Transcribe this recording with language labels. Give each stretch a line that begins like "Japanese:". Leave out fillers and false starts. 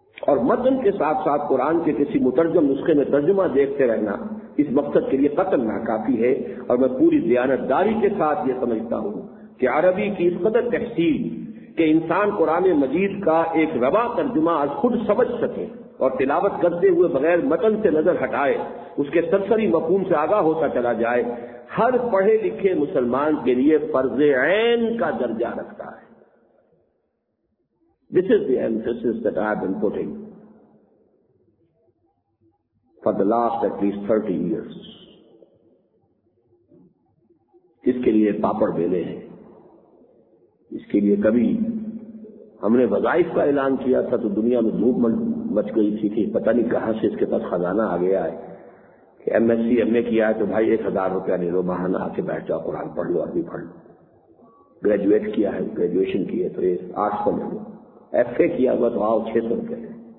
Urdu: اور متن کے ساتھ ساتھ قرآن کے کسی مترجم نسخے میں ترجمہ دیکھتے رہنا اس مقصد کے لیے قطعاً ناکافی ہے، اور میں پوری دیانتداری کے ساتھ یہ سمجھتا ہوں کہ عربی کی اس قدر تحصیل کہ انسان قرآن مجید کا ایک ربا ترجمہ از خود سمجھ سکے اور تلاوت کرتے ہوئے بغیر متن سے نظر ہٹائے اس کے سرسری مفہوم سے آگاہ ہوتا چلا جائے، ہر پڑھے لکھے مسلمان کے لیے فرض عین کا درجہ رکھتا ہے.
English: This is the emphasis that I have been putting for the last at least 30 years.
Urdu: اس کے لیے پاپڑ بیلے ہیں, اس کے لیے کبھی ہم نے وظائف کا اعلان کیا تھا تو دنیا میں دھوپ مچ گئی تھی کہ پتہ نہیں کہاں سے اس کے پاس خزانہ آ گیا ہے کہ ایم ایس سی ایم اے کیا ہے تو بھائی 1000 روپیہ لے لو, ماہانہ آ کے بیٹھ جاؤ, قرآن پڑھ لو, عربی پڑھ لو, گریجویٹ کیا ہے, گریجویشن کی ہے تو 800 لے لو, ایف اے کیا ہوا تو آؤ 600 روپئے لے.